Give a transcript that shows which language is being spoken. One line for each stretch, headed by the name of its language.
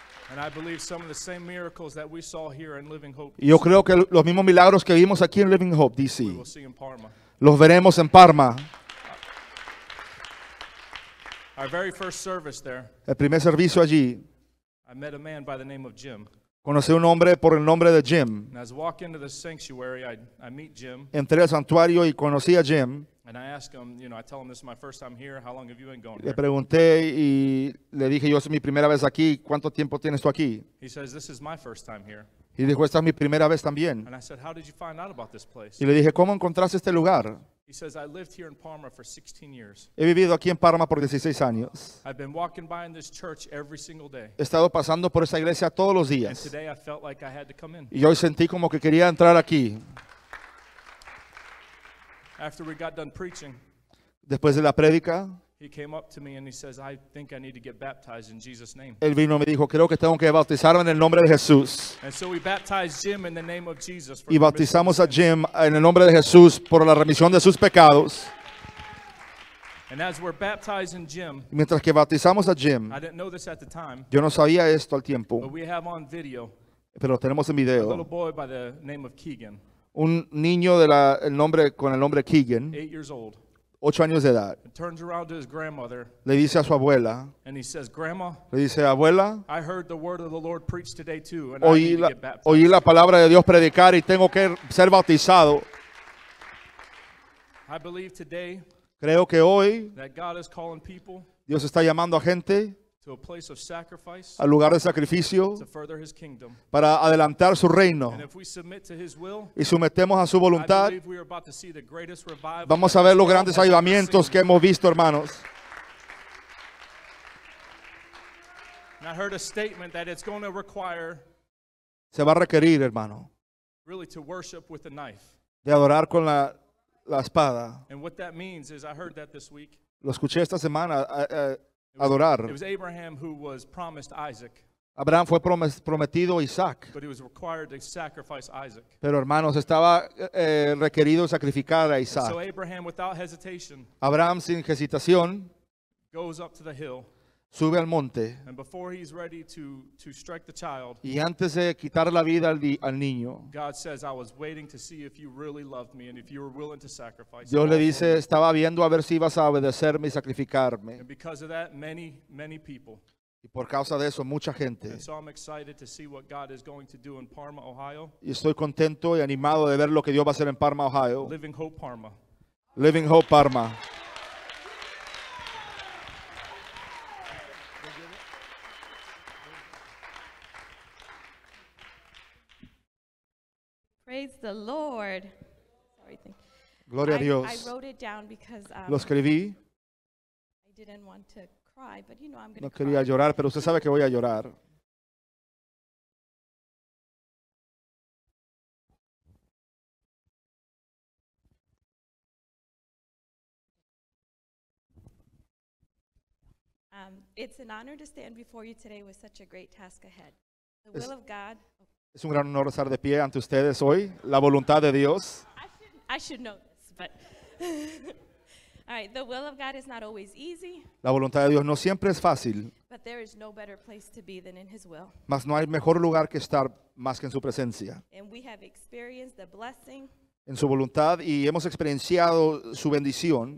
English: And I believe some of the same miracles that we saw here in Living Hope.
Spanish: Yo creo que los mismos milagros que vimos aquí en Living Hope, D.C.
English: We will see in Parma.
Spanish: Los veremos en Parma.
English: Our very first service there.
Spanish: El primer servicio allí.
English: I met a man by the name of Jim.
Spanish: Conocí un hombre por el nombre de Jim.
English: And as I walk into the sanctuary, I meet Jim.
Spanish: Entré al santuario y conocí a Jim.
English: And I ask him, you know, I tell him this is my first time here. How long have you been going?
Spanish: Le pregunté y le dije, yo soy mi primera vez aquí. ¿Cuánto tiempo tienes tú aquí?
English: He says, this is my first time here.
Spanish: Y dijo, esta es mi primera vez también.
English: And I said, how did you find out about this place?
Spanish: Y le dije, ¿cómo encontraste este lugar?
English: He says, I lived here in Parma for 16 years.
Spanish: He vivido aquí en Parma por 16 años.
English: I've been walking by in this church every single day.
Spanish: He estado pasando por esta iglesia todos los días.
English: And today I felt like I had to come in.
Spanish: Y hoy sentí como que quería entrar aquí.
English: After we got done preaching,
Spanish: después de la predica,
English: he came up to me and he says, I think I need to get baptized in Jesus' name.
Spanish: Él vino y me dijo, creo que tengo que bautizarme en el nombre de Jesús.
English: And so we baptized Jim in the name of Jesus.
Spanish: Y bautizamos a Jim en el nombre de Jesús por la remisión de sus pecados.
English: And as we're baptizing Jim,
Spanish: mientras que bautizamos a Jim,
English: I didn't know this at the time,
Spanish: yo no sabía esto al tiempo,
English: but we have on video,
Spanish: pero tenemos en video,
English: a little boy by the name of Keegan.
Spanish: Un niño de la, el nombre, con el nombre Keegan,
English: 8 years old,
Spanish: 8 años de edad,
English: turns around to his grandmother,
Spanish: le dice a su abuela,
English: and he says, Grandma,
Spanish: le dice, abuela,
English: I heard the word of the Lord preached today too, and
Spanish: oí,
English: I need
Spanish: la,
English: to get baptized.
Spanish: Oí la palabra de Dios predicar y tengo que ser bautizado.
English: I believe today,
Spanish: creo que hoy,
English: that God is calling people,
Spanish: Dios está llamando a gente,
English: to a place of sacrifice,
Spanish: al lugar de sacrificio,
English: to further his kingdom,
Spanish: para adelantar su reino.
English: And if we submit to his will,
Spanish: y sometemos a su voluntad,
English: I believe we are about to see the greatest revival.
Spanish: Vamos a ver los grandes avivamientos que hemos visto, hermanos.
English: And I heard a statement that it's going to require,
Spanish: se va a requerir, hermano,
English: really to worship with a knife,
Spanish: de adorar con la espada.
English: And what that means is, I heard that this week,
Spanish: lo escuché esta semana. Adorar.
English: It was Abraham who was promised Isaac.
Spanish: Abraham fue prometido Isaac.
English: But he was required to sacrifice Isaac.
Spanish: Pero hermanos, estaba requerido sacrificar a Isaac.
English: And so Abraham, without hesitation,
Spanish: Abraham sin hesitación,
English: goes up to the hill,
Spanish: sube al monte,
English: and before he's ready to strike the child,
Spanish: y antes de quitar la vida al niño,
English: God says, I was waiting to see if you really loved me and if you were willing to sacrifice.
Spanish: Dios le dice, estaba viendo a ver si ibas a obedecerme y sacrificarme.
English: And because of that, many, many people.
Spanish: Y por causa de eso, mucha gente.
English: And so I'm excited to see what God is going to do in Parma, Ohio.
Spanish: Y estoy contento y animado de ver lo que Dios va a hacer en Parma, Ohio.
English: Living Hope Parma. Living Hope Parma. Praise the Lord.
Spanish: Gloria a Dios.
English: I wrote it down because
Spanish: lo escribí.
English: I didn't want to cry, but you know I'm going to
Spanish: cry. No quería llorar, pero usted sabe que voy a llorar.
English: It's an honor to stand before you today with such a great task ahead. The will of God.
Spanish: Es un gran honor estar de pie ante ustedes hoy, la voluntad de Dios.
English: I should know this, but all right, the will of God is not always easy.
Spanish: La voluntad de Dios no siempre es fácil.
English: But there is no better place to be than in his will.
Spanish: Mas no hay mejor lugar que estar más que en su presencia.
English: And we have experienced the blessing.
Spanish: En su voluntad y hemos experienciado su bendición.